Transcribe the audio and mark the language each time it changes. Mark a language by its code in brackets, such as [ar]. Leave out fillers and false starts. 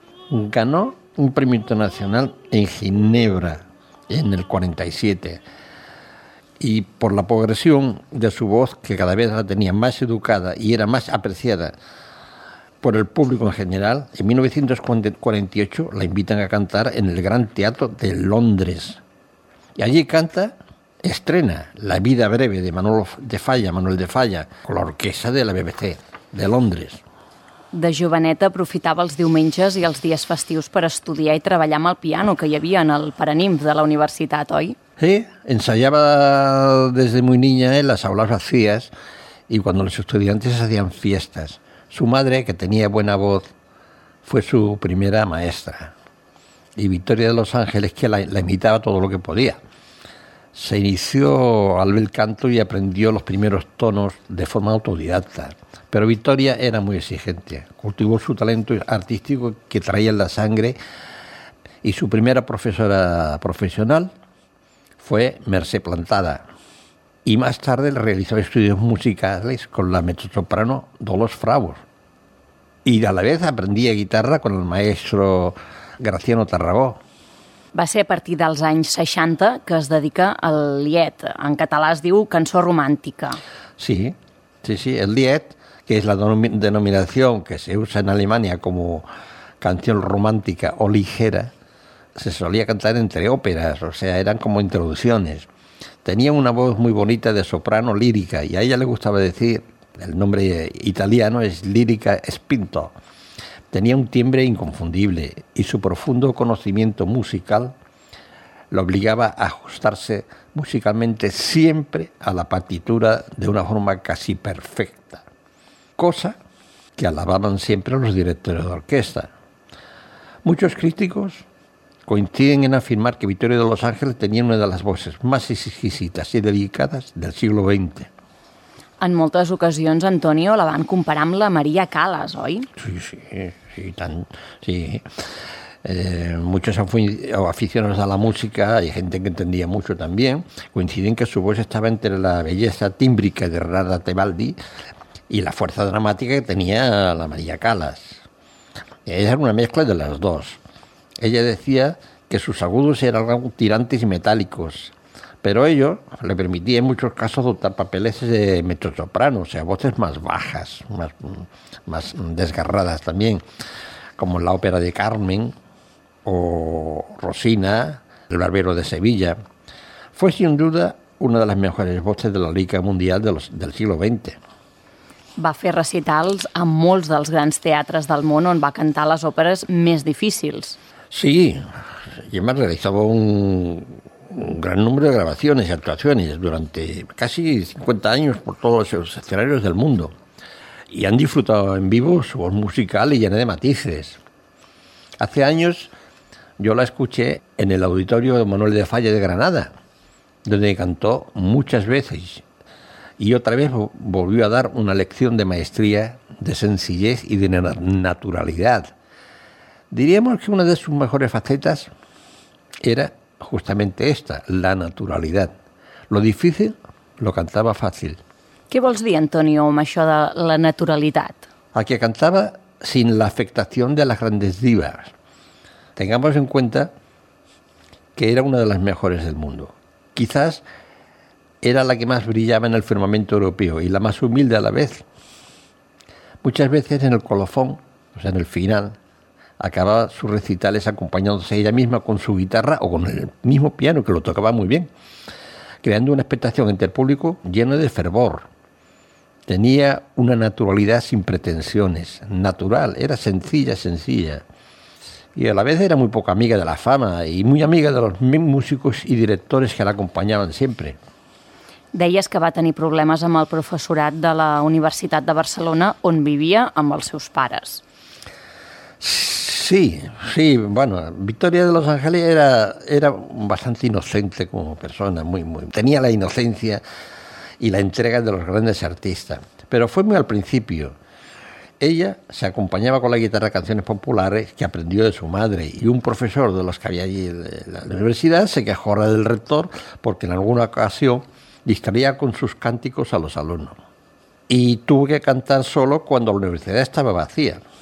[es] Ganó un premio internacional en Ginebra en el 47 y por la progresión de su voz, que cada vez la tenía más educada y era más apreciada por el público en general, en 1948 la invitan a cantar en el Gran Teatro de Londres. Y allí canta, estrena La Vida Breve de Manuel de Falla con la orquesta de la BBC de Londres. [ca] De joveneta aprofitava els diumenges i els dies festius per estudiar i treballar amb el piano que hi havia en el Paranimf de la universitat, oi? [es] Sí, ensayaba desde muy niña en las aulas vacías y cuando los estudiantes hacían fiestas. Su madre, que tenía buena voz, fue su primera maestra. Y Victoria de los Ángeles, que la imitaba todo lo que podía. Se inició al bel canto y aprendió los primeros tonos de forma autodidacta. Pero Victoria era muy exigente. Cultivó su talento artístico que traía en la sangre y su primera profesora profesional fue Mercé Plantada. Y más tarde realizó estudios musicales con la mezzosoprano Dolors Fraus. Y a la vez aprendía guitarra con el maestro Graciano Tarragó. [ca] Va ser a partir dels anys 60 que es dedica al Lied. En català es diu cançó romàntica. Sí, sí, sí. El Lied, que és la denominació que se usa en Alemanya com canció romàntica o ligera, [es] se solía cantar entre óperas, o sea, eran como introducciones. Tenía una voz muy bonita de soprano lírica y a ella le gustaba decir, el nombre italiano es Lírica Spinto. Tenía un timbre inconfundible y su profundo conocimiento musical lo obligaba a ajustarse musicalmente siempre a la partitura de una forma casi perfecta, cosa que alababan siempre los directores de orquesta. Muchos críticos coinciden en afirmar que Vittorio de los Ángeles tenía una de las voces más exquisitas y delicadas del siglo XX. [ca] En moltes ocasions, Antonio, la van comparar amb la Maria Callas, oi? Sí, tant, sí. [es] Muchos aficionados a la música y gente que entendía mucho también coinciden que su voz estaba entre la belleza tímbrica de Renata Tebaldi y la fuerza dramática que tenía la María Callas. Ella era una mezcla de las dos. Ella decía que sus agudos eran tirantes y metálicos, pero ello le permitía en muchos casos dotar papeles de mezzosoprano, o sea, voces más bajas, más desgarradas también, como en la ópera de Carmen o Rosina, el barbero de Sevilla. Fue sin duda una de las mejores voces de la lírica mundial del siglo XX. [ca] Va fer recitals a molts dels grans teatres del món on va cantar les òperes més difícils. [es] Sí, y además realizaba un gran número de grabaciones y actuaciones durante casi 50 años por todos los escenarios del mundo. Y han disfrutado en vivo su voz musical y llena de matices. Hace años yo la escuché en el auditorio de Manuel de Falla de Granada, donde cantó muchas veces y otra vez volvió a dar una lección de maestría, de sencillez y de naturalidad. Diríamos que una de sus mejores facetas era justamente esta, la naturalidad. Lo difícil lo cantaba fácil. [ca] ¿Qué vols dir, Antonio, amb això de la naturalidad? [es] A que cantaba sin la afectación de las grandes divas. Tengamos en cuenta que era una de las mejores del mundo. Quizás era la que más brillaba en el firmamento europeo y la más humilde a la vez. Muchas veces en el colofón, o sea, en el final, acababa sus recitales acompañándose ella misma con su guitarra o con el mismo piano, que lo tocaba muy bien, creando una expectación entre el público llena de fervor. Tenía una naturalidad sin pretensiones, natural, era sencilla. Y a la vez era muy poca amiga de la fama y muy amiga de los músicos y directores que la acompañaban siempre. [ca] Deies que va tenir problemes amb el professorat de la Universitat de Barcelona on vivia amb els seus pares. [es] Sí, bueno, Vittorio de los Ángeles era bastante inocente como persona, muy. Tenía la inocencia y la entrega de los grandes artistas, pero fue muy al principio. Ella se acompañaba con la guitarra canciones populares que aprendió de su madre y un profesor de los que había allí en la universidad se quejó del rector porque en alguna ocasión distraía con sus cánticos a los alumnos y tuvo que cantar solo cuando la universidad estaba vacía.